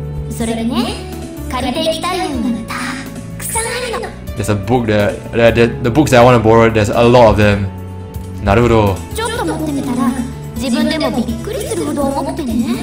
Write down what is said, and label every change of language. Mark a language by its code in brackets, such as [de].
[ja] それでね、借りていきたいものがたくさんあるの。 [en] There's a book that the books that I want to borrow, there's a lot of them. [ja] なるほど。ちょっと持ってみたら、自分でもびっくりするほど重くてね。